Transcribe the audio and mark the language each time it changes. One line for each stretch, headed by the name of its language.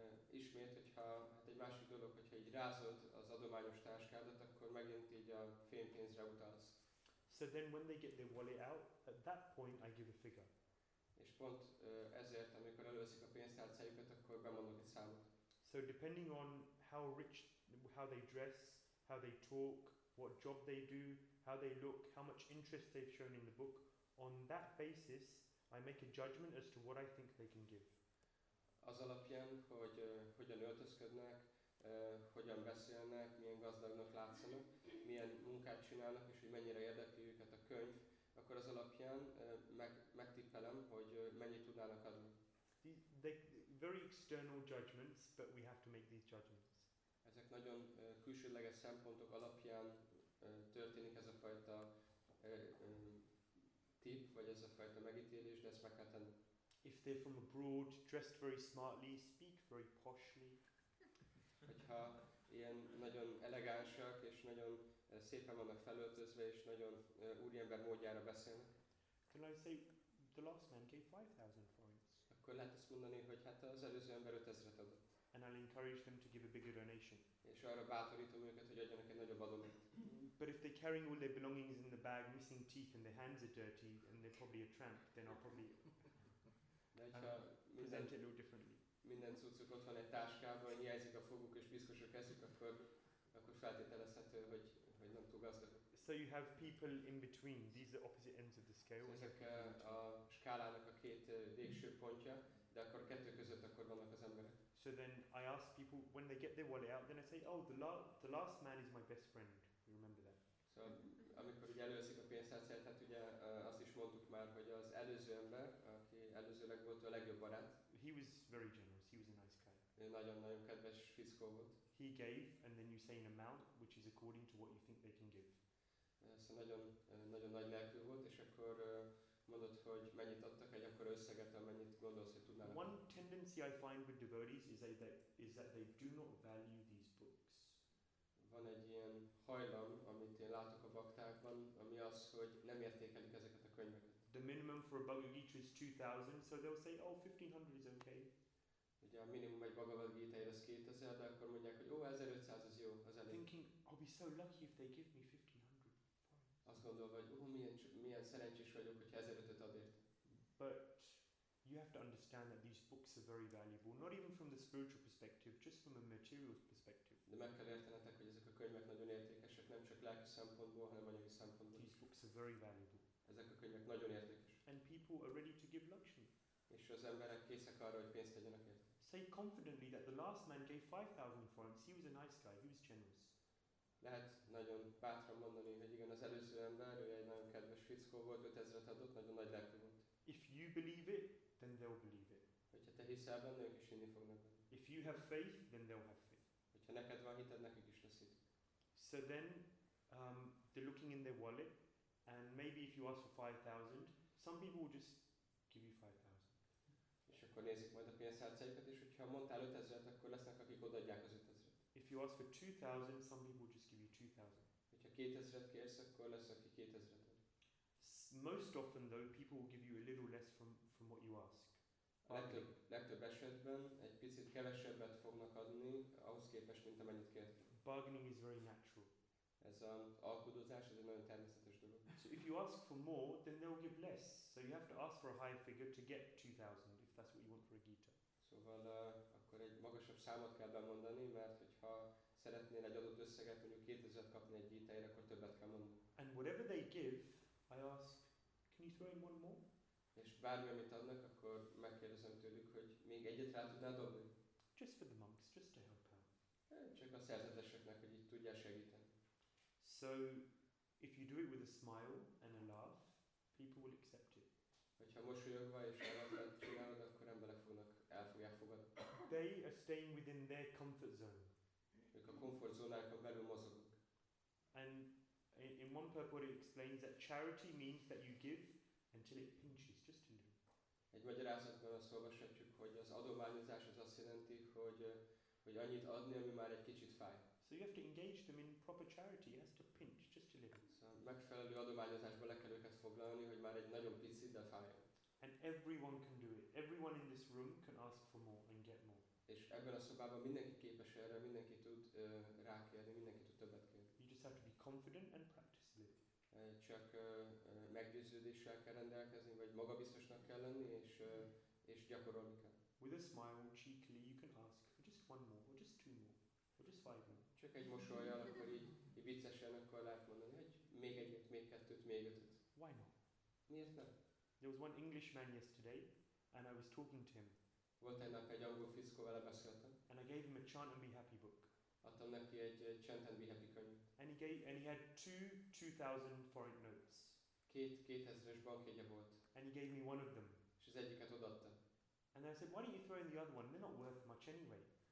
Hungarian: Ismét, hogyha hát egy másik dolog, hogyha így rázod az adományos táskádat, akkor megint így a fémpénzre utalsz.
English: So then when they get their wallet out, at that point I give a figure.
Hungarian: És pont ezért, amikor előveszik a pénztárcájukat, akkor bemondok egy számot.
English: So depending on how rich, how they dress, how they talk, what job they do, how they look, how much interest they've shown in the book, on that basis, I make a judgment as to what I think they can give.
Hungarian: Az alapján, hogy hogyan öltözködnek, hogyan beszélnek, milyen gazdagnak látszanak, milyen munkát csinálnak, és hogy mennyire érdekli őket a könyv, akkor az alapján megtippelem, hogy mennyit tudnának adni.
English: They very external judgments, but we have to make these judgments.
Hungarian: Ezek nagyon külsődleges szempontok alapján történik ez a fajta tip, vagy ez a fajta megítélés, de ezt meg kell tenni.
English: If they're from abroad, dressed very smartly, speak very poshly.
Hungarian: Hogyha ilyen nagyon elegánsak, és nagyon szépen vannak felöltözve, és nagyon úriember módjára beszélnek.
English: Can I say, the last man gave 5,000 forints.
Hungarian: Akkor lehet azt mondani, hogy hát az előző ember 5,000-et adott.
English: And I'll encourage them to give a bigger donation.
Hungarian: És arra bátorítom őket, hogy adjanak egy nagyobb adományt.
English: But if they're carrying all their belongings in the bag, missing teeth, and their hands are dirty, and they're probably a tramp, then I'll probably present it a little differently.
Hungarian: Minden cuccuk ott van egy táskában, hiányzik a foguk és piszkos a kezük, akkor feltételezhető, hogy nem túl gazdag.
English: So you have people in between. These are the opposite ends of the scale.
Hungarian: So ezek a skálának a két végső pontja, de akkor kettő között akkor vannak az emberek.
English: So then I ask people when they get their wallet out, then I say, oh, the last man is my best friend. You remember that?
Hungarian: So amikor ugye előveszik a pénztárcát, hát ugye azt is mondtuk már, hogy az előző ember, aki előzőleg volt a legjobb barát.
English: He was very generous. He was a nice guy.
Hungarian: Nagyon-nagyon kedves fickó volt.
English: He gave, and then you say an amount, which is according to what you think they can give.
Hungarian: Szóval nagyon nagy lelkű volt, és akkor mondod, hogy mennyit adtak egy akkora összeget, amennyit gondolsz, hogy tudnának.
English: One tendency I find with devotees is that they do not value these books.
Hungarian: Van egy ilyen hajlam, amit én látok a baktákban, ami az, hogy nem értékelik ezeket a könyveket.
English: The minimum for a Bhagavad Gita is 2000, so they'll say, oh, 1500 is okay.
Hungarian: Ugye a minimum egy Bhagavad Gita az 2000, de akkor mondják, hogy ó, 1500 az jó, az elég.
English: Thinking, I'll be so lucky if they give me 1500.
Hungarian: Azt gondolva, hogy ó, milyen szerencsés vagyok, hogyha 1500 ad ért.
English: But you have to understand that these books are very valuable, not even from the spiritual perspective, just from a material perspective.
Hungarian: De meg kell értenetek, hogy ezek a könyvek nagyon értékesek, nem csak lelki szempontból, hanem anyagi szempontból.
English: These books are very valuable.
Hungarian: Ezek a könyvek nagyon értékes.
English: And people are ready to give luxury.
Hungarian: És az emberek készek arra, hogy pénzt tegyenek ért.
English: Say confidently that the last man gave 5,000 forints. He was a nice guy. He was generous.
Hungarian: Lehet nagyon bátran mondani, hogy igen, az előző ember, ő egy nagyon kedves fickó volt, 5,000-et adott, nagyon nagy lelkű volt.
English: If you believe it, then they'll believe it.
Hungarian: Hogyha te hiszel benne, ők is hinni fognak benne.
English: If you have faith, then they'll have faith.
Hungarian: Hogyha neked van hited, nekik is lesz hit.
English: So then, they're looking in their wallet, and maybe if you ask for 5,000, some people will just give you 5,000.
Hungarian: És akkor nézik majd a pénztárcáikat, és hogyha mondtál 5000-et, akkor lesznek, akik odaadják az 5000-et.
English: If you ask for 2000, some people just give you 2000.
Hungarian: Hogyha 2000-et kérsz, akkor lesz, aki 2000-et ad.
English: Most often though, people will give you a little less from what you ask.
Hungarian: A legtöbb esetben egy picit kevesebbet fognak adni, ahhoz képest, mint amennyit kért.
English: Bargaining is very natural.
Hungarian: Ez az alkudozás, ez egy nagyon természetes dolog.
English: So if you ask for more, then they will give less. So you have to ask for a higher figure to get 2000, if that's what you want for a Gita.
Hungarian: Szóval akkor egy magasabb számot kell bemondani, mert hogyha szeretnél egy adott összeget, mondjuk 2000-et kapni egy Gita-ért, akkor többet kell mondani.
English: And whatever they give, I ask, can you throw in one more?
Hungarian: És bármi, amit adnak, akkor megkérdezem tőlük, hogy még egyet rá tudnál dobni?
English: Just for the monks, just to help out.
Hungarian: Csak a szerzeteseknek, hogy így tudjál segíteni.
English: So, if you do it with a smile and a laugh, people will accept it.
Hungarian: Hogyha mosolyogva és elvetett csinálod, akkor emberek fogják fogadni.
English: They are staying within their comfort zone.
Hungarian: Ők a komfortzónájukon belül mozognak.
English: And in one purport it explains that charity means that you give until it pinches, just a little.
Hungarian: Egy magyarázatban azt olvashatjuk, hogy az adományozás az azt jelenti, hogy annyit adni, ami már egy kicsit fáj.
English: So you have to engage them in proper charity. It has to pinch just a little.
Hungarian: So megfelelő adományozásba le kell őket foglalni, hogy már egy nagyon picit, de fájjon.
English: And everyone can do it. Everyone in this room can ask for more and get more.
Hungarian: És ebben a szobában mindenki képes erre, mindenki tud rákérni, mindenki tud többet kérni.
English: You just have to be confident and practice a little.
Hungarian: Csak meggyőződéssel kell rendelkezni, vagy magabiztosnak kell lenni, és gyakorolni kell.
English: With a smile, cheekily, you can ask for just one more, or just two more, or just five more.
Hungarian: Csak egy mosolyjal, akkor így viccesen, akkor lehet mondani, hogy még egyet, még kettőt, még ötöt.
English: Why not?
Hungarian: Miért nem?
English: There was one Englishman yesterday, and I was talking to him.
Hungarian: Volt egy nap egy angol fickó, vele beszéltem.
English: And I gave him a Chant and Be Happy book.
Hungarian: Adtam neki egy Chant and Be Happy könyv.
English: And he had two 2,000 foreign notes.
Hungarian: Két 2,000-es bankjegye volt.
English: And he gave me one of them.
Hungarian: És az egyiket odaadta.
English: And then I said, why don't you throw in the other one? They're not worth much anyway.